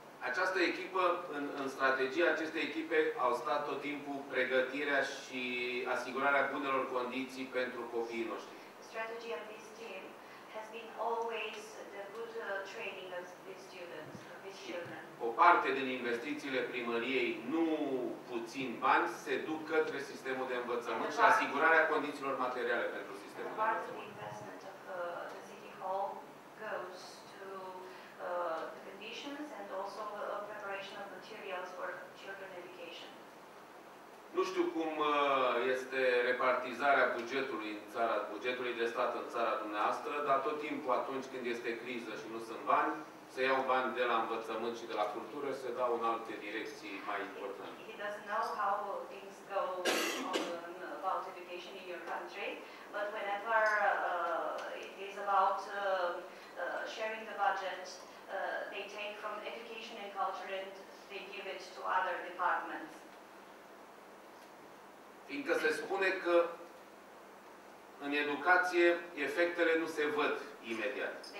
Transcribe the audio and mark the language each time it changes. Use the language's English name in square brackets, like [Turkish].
[Romanian] Această echipă, în strategia acestei echipe, au stat tot timpul pregătirea și asigurarea bunelor condiții pentru copiii noștri. [English] Strategy of this team has been always the good training of the students, of this [Romanian] O parte din investițiile primăriei, nu puțin bani, se duc către sistemul de învățământ și asigurarea condițiilor materiale pentru sistemul de învățământ. [English] Part of the investment of the city hall goes to the conditions and also the preparation of materials for children education. [Romanian] Nu știu cum este repartizarea bugetului în țara, bugetului de stat în țara dumneavoastră, dar tot timpul atunci când este criză și nu sunt bani, se iau bani de la învățământ și de la cultură, se dau în alte direcții mai importante. [English] He doesn't know how things go on about education in your country, but whenever it is about sharing the budget, they take from education and culture and they give it to other departments. [Romanian] Fiindcă se spune că în educație efectele nu se văd imediat.